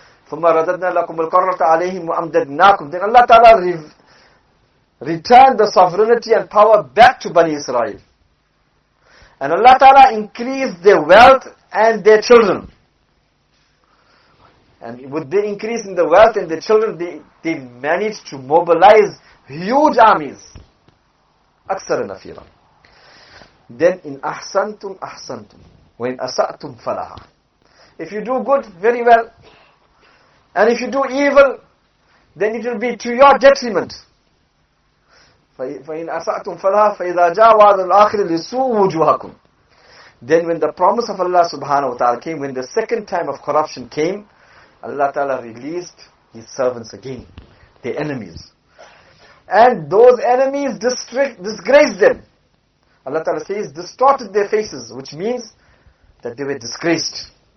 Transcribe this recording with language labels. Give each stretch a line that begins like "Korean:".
Arabic: ثُمَّ رَدَدْنَا لَكُمُ الْقَرَّةَ عَلَيْهِمْ وَأَمْدَدْنَاكُمْ.
English: Then Allah Ta'ala returned the sovereignty and power back to Bani Israel. And Allah Ta'ala increased their wealth and their children. And with the increase in the wealth and their children, they managed to mobilize huge armies.
Arabic: أكثر نفيرا. Then إن أحسنتم أحسنتم وإن أسأتم فلها.
English: If you do good, very well. And if you do evil, then it will be to your detriment.
Arabic: فإن أسأتم فلها فإذا جاء وعد الآخر لسوء وجوهكم.
English: Then when the promise of Allah subhanahu wa ta'ala came, when the second time of corruption came, Allah ta'ala released His servants again, their enemies. And those enemies disgraced them. Allah Ta'ala says, distorted their faces, which means that they were disgraced.